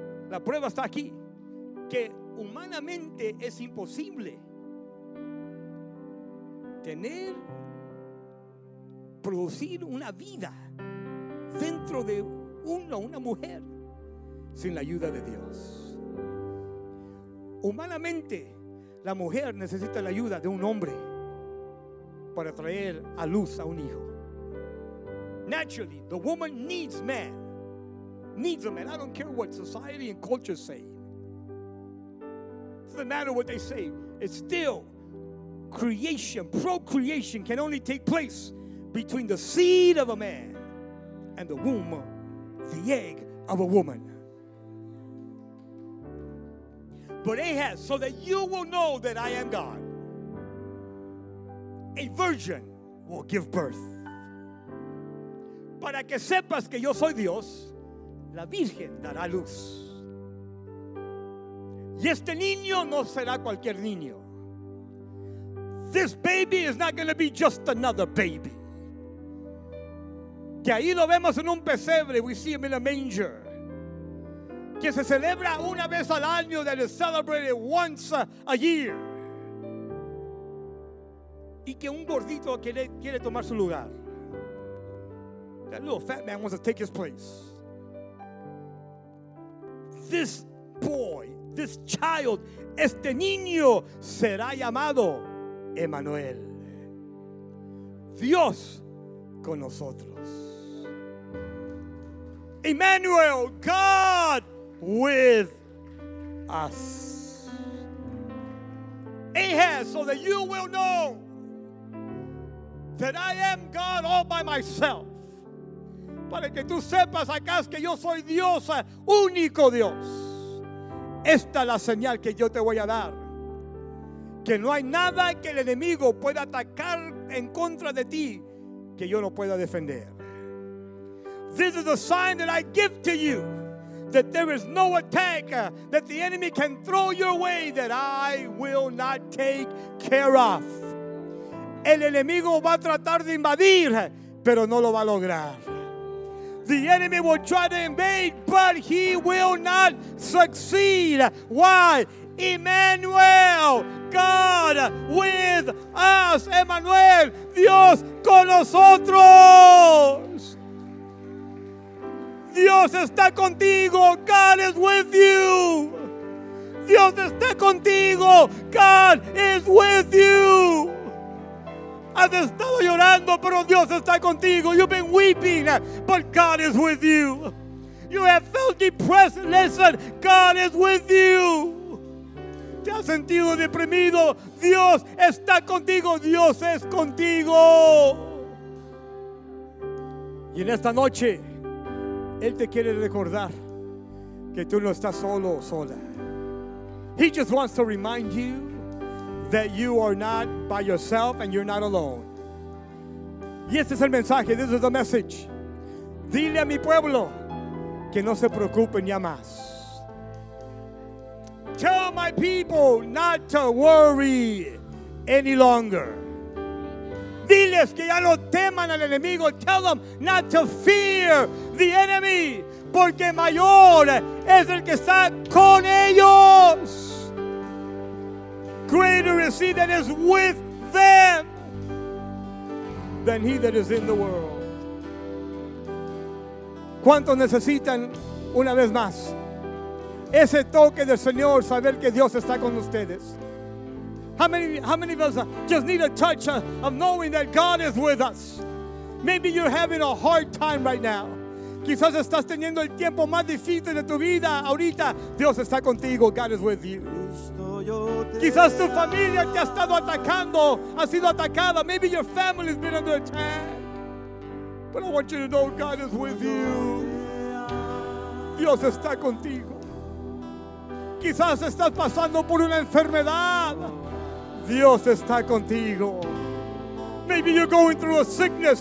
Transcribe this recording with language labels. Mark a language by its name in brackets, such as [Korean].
[Spanish] La prueba está aquí, que humanamente es imposible tener, producir una vida dentro de uno, una mujer, sin la ayuda de Dios. Humanamente, la mujer necesita la ayuda de un hombre para traer a luz a un hijo. [English] Naturally, the woman needs man. Needs a man. I don't care what society and culture say. It doesn't matter what they say. It's still creation, procreation can only take place between the seed of a man and the womb, the egg of a woman. But Ahaz, so that you will know that I am God, a virgin will give birth. [Spanish] Para que sepas que yo soy Dios, la virgen dará luz. Y este niño no será cualquier niño. [English] This baby is not going to be just another baby. [Spanish] Que ahí lo vemos en un pesebre, [English] we see him in a manger. [Spanish] Que se celebra una vez al año, [English] that is celebrated once a year. [Spanish] Y que un gordito quiere tomar su lugar. [English] That little fat man wants to take his place. This boy, this child, [Spanish] este niño será llamado [English] Emmanuel. [Spanish] Dios con nosotros. [English] Emmanuel, God with us. Ahaz, so that you will know that I am God all by myself. [Spanish] para que tú sepas acá que yo soy Dios, único Dios. Esta es la señal que yo te voy a dar, que no hay nada que el enemigo pueda atacar en contra de ti que yo no pueda defender. [English] This is the sign that I give to you, that there is no attack that the enemy can throw your way that I will not take care of. [Spanish] El enemigo va a tratar de invadir, pero no lo va a lograr. [English] The enemy will try to invade, but he will not succeed. Why? Emmanuel, God with us. [Spanish] Emmanuel, Dios con nosotros. Dios está contigo. [English] God is with you. [Spanish] Dios está contigo. [English] God is with you. [Spanish] Has estado llorando, pero Dios está contigo. [English] You've been weeping, but God is with you. You have felt depressed. Listen, God is with you. [Spanish] Te has sentido deprimido. Dios está contigo. Dios es contigo. Y en esta noche, Él te quiere recordar que tú no estás solo o sola. [English] He just wants to remind you that you are not by yourself and you're not alone. [Spanish] Y este es el mensaje, [English] this is the message. [Spanish] Dile a mi pueblo que no se preocupen ya más. [English] Tell my people not to worry any longer. [Spanish] Diles que ya no teman al enemigo. [English] Tell them not to fear the enemy, [Spanish] porque mayor es el que está con ellos. [English] Greater is he that is with them than he that is in the world. [Spanish] ¿Cuántos necesitan una vez más ese toque del Señor, saber que Dios está con ustedes? [English] How many of us just need a touch of knowing that God is with us? Maybe you're having a hard time right now. [Spanish] Quizás estás teniendo el tiempo más difícil de tu vida ahorita. Dios está contigo. [English] God is with you. [Spanish] Quizás tu familia te ha estado atacando, ha sido atacada. [English] Maybe your family has been under attack. But I want you to know God is with you. [Spanish] Dios está contigo. Quizás estás pasando por una enfermedad. Dios está contigo. [English] Maybe you're going through a sickness.